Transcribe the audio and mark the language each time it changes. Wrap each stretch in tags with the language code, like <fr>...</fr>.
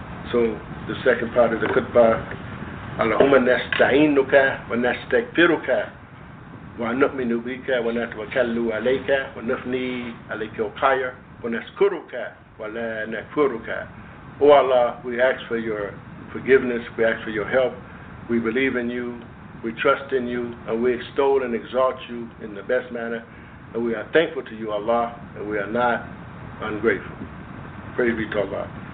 <en>So the second part of the khutbah.</en> <ar>اللهم نستعينك ونستغفرك ونؤمن بك ونتوكل عليك ونثني عليك وقايا ونشكرك ولا نكفرك.</ar> <en>O Allah, we ask for your forgiveness, we ask for your help, we believe in you, we trust in you, and we extol and exalt you in the best manner, and we are thankful to you, Allah, and we are not ungrateful. Praise be to Allah.</en>